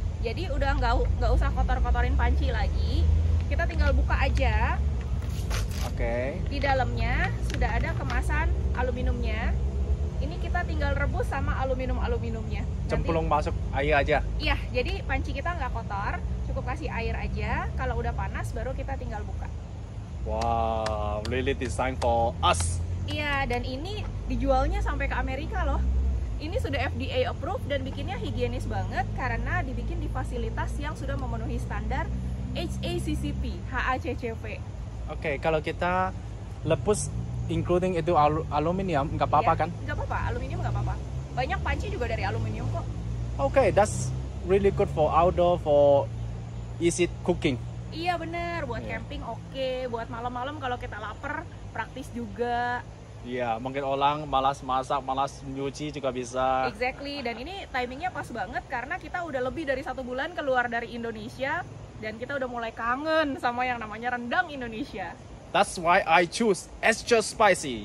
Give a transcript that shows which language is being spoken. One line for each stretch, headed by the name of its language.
Indonesian: Jadi udah nggak usah kotor-kotorin panci lagi. Kita tinggal buka aja. Oke. Di dalamnya sudah ada kemasan aluminiumnya. Ini kita tinggal rebus sama aluminium-aluminiumnya. Cemplung nanti masuk air aja. Iya, jadi panci kita nggak kotor. Cukup kasih air aja. Kalau udah panas baru kita tinggal buka.
English: Wow, really designed for us.
Indonesian: Iya, dan ini dijualnya sampai ke Amerika loh. ini sudah FDA approved dan bikinnya higienis banget karena dibikin di fasilitas yang sudah memenuhi standar HACCP, HACCP. Oke, kalau kita lepus
English: including
Indonesian: itu aluminium, nggak apa-apa kan? Nggak apa-apa, aluminium nggak apa-apa. Banyak panci juga dari aluminium kok.
English: Oke, that's really good for outdoor, for easy cooking.
Indonesian: Iya benar, buat camping oke, buat malam-malam kalau kita lapar, praktis juga. Iya, mungkin orang malas masak, malas nyuci juga bisa.
English: Exactly,
Indonesian: dan ini timingnya pas banget karena kita udah lebih dari 1 bulan keluar dari Indonesia dan kita udah mulai kangen sama yang namanya rendang Indonesia.
English: That's why I choose extra spicy.